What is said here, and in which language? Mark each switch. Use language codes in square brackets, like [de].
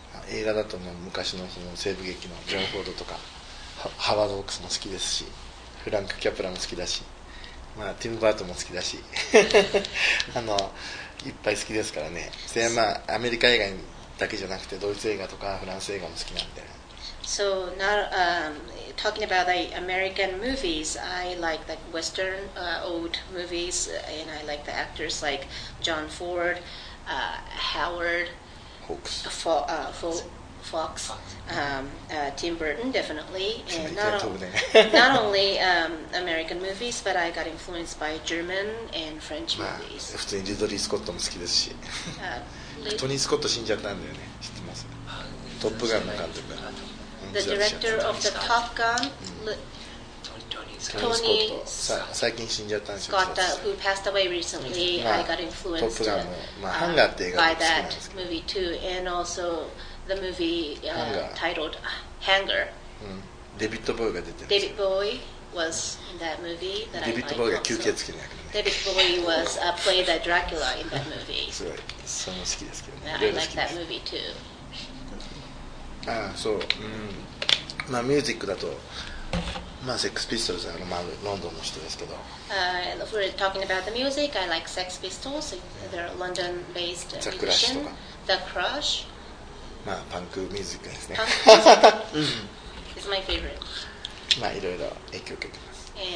[ja] 映画だと昔 の, その西部劇のジョン・フォードとかハワード・オークスも好きですし、フランク・キャプラも好きだし、まあ、ティム・バートも好きだしあのいっぱい好きですからね。それはまあアメリカ以外にだけじゃなくてドイツ映画とかフランス映画も好きなんで。 [en] So now talking about the American movies, I like the Western old movies and I like the actors like John Ford, Howard Hawks, Fox, Tim Burton definitely, and not, not only American movies, but I got influenced by German and French movies. [ja] まあ普通にリドリー・スコットも好きですし。トニー・スコット死んじゃったんだよね。知ってます。トップガンの監督が。 [en] The director of the Top Gun, Tony Scott. [ja] 最近死んじゃったんですよ。 [en] Scott, who passed away recently, I got influenced. [ja] トップガンも、まあハンガーって映画が好きなんですけど。 [en] By that movie too, and also the movie titled Hanger. [ja] デビッド・ボーイが出てる。 [en] デビッド・ボーイ was in that movie. [ja] デビッド・ボーイが吸血鬼の役。 [en] David Bowie was played the Dracula in that movie. [ja] すごい、それも好きですけどね。 [en] Yeah, I like that movie too. [ja] ああ、そう、まあミュージックだと、まあセックスピストルズはまあロンドンの人ですけど。 [en] If we're talking about the music, I like Sex Pistols. They're London-based musician. The Crush とか。 The Crush. [ja] まあパンクミュージックですね。 [en] パンクミュージック。It's my favorite. [ja] まあいろいろ影響を受けてます。